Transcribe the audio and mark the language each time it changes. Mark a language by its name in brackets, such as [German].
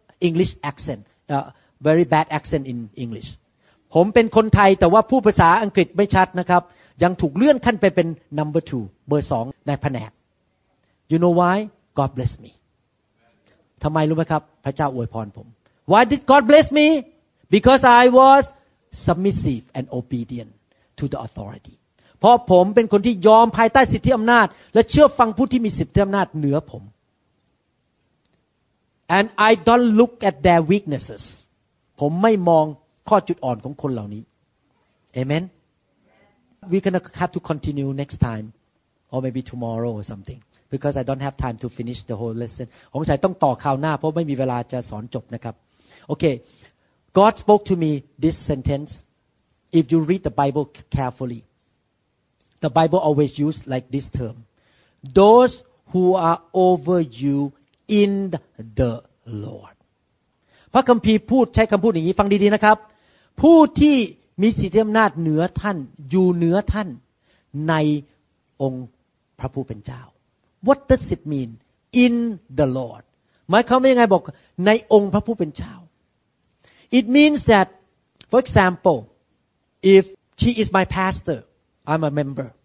[English] English accent, a very bad accent in English. [Thai] ผมเป็นคนไทยแต่ว่าพูดภาษาอังกฤษไม่ชัดนะครับยังถูกเลื่อนขั้นไปเป็น number 2เบอร์2ในแผนก [English] You know why? God bless me. [Thai] ทำไมรู้ไหมครับพระเจ้าอวยพรผม [English] Why did God bless me? Because I was submissive and obedient to the authority. [Thai] เพราะผมเป็นคนที่ยอมภายใต้สิทธิอำนาจและเชื่อฟังผู้ที่มีสิทธิอำนาจเหนือผม [English] And I don't look at their weaknesses. [Thai] ผมไม่มองข้อจุดอ่อนของคนเหล่านี้ Amen. [English] We gonna have to continue next time, or maybe tomorrow or something, because I don't have time to finish the whole lesson. [Thai] ผมจะต้องต่อคราวหน้าเพราะไม่มีเวลาจะสอนจบนะครับ Okay. [English] God spoke to me this sentence. If you read the Bible carefully, the Bible always used like this term: those who are over you. In the Lord. [Thai] พระคัมภีร์พูดใช้คำพูดอย่างนี้ฟังดีๆนะครับผู้ที่มีสิทธิอำนาจเหนือท่านอยู่เหนือท่านในองค์พระผู้เป็นเจ้า [English] What does it mean in the Lord? [Thai] หมายความว่ายังไงบอกในองค์พระผู้เป็นเจ้า [English] It means that, for example, if she is my pastor, I'm a member.